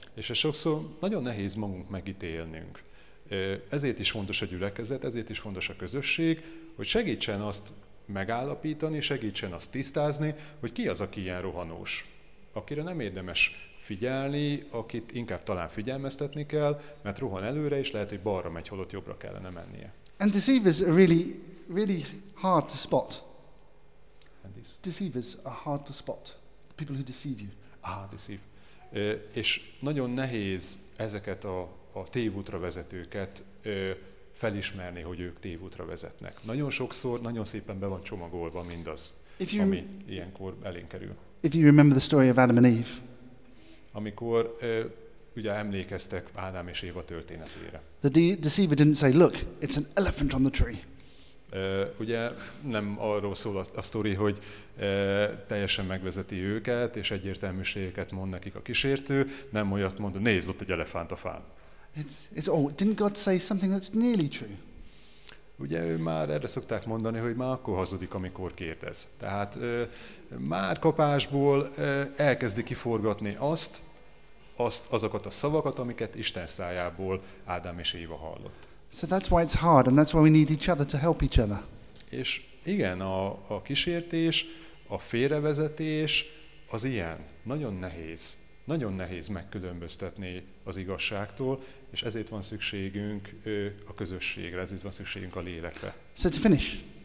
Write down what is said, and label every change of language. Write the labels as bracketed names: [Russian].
[Hungarian] És ez sokszor nagyon nehéz magunk megítélnünk. Ezért is fontos a gyülekezet, ezért is fontos a közösség, hogy segítsen azt megállapítani, segítsen azt tisztázni, hogy ki az, aki ilyen rohanós, akire nem érdemes figyelni, akit inkább talán figyelmeztetni kell, mert rohan előre, és lehet, hogy balra megy, holott jobbra kellene mennie. [English] And deceivers are really, really hard to spot. Deceivers are hard to spot. The people who deceive you. Deceive. [Hungarian] És nagyon nehéz ezeket a tévútra vezetőket felismerni, hogy ők tévútra vezetnek. Nagyon sokszor, nagyon szépen be van csomagolva mindaz, ami ilyenkor elénk kerül. [English] If you remember the story of Adam and Eve. [Hungarian] Amikor ugye emlékeztek Ádám és Éva történetére. [English] The deceiver didn't say, look, it's an elephant on the tree. [Hungarian] Ugye nem arról szól a sztori, hogy teljesen megvezeti őket, és egyértelműségeket mond nekik a kísértő, nem olyat mond, nézd, ott egy elefánt a fán. [English] Didn't God say something that's nearly true? [Hungarian] Ugye ő már erre szokták mondani, hogy már akkor hazudik, amikor kérdez. Tehát már kapásból elkezdi kiforgatni azokat a szavakat, amiket Isten szájából Ádám és Éva hallott. [English] So that's why it's hard, and that's why we need each other to help each other. [Hungarian] És igen, a kísértés, a félrevezetés az ilyen. Nagyon nehéz megkülönböztetni az igazságtól, és ezért van szükségünk a közösségre, ezért van szükségünk a lélekre. [English] So to finish.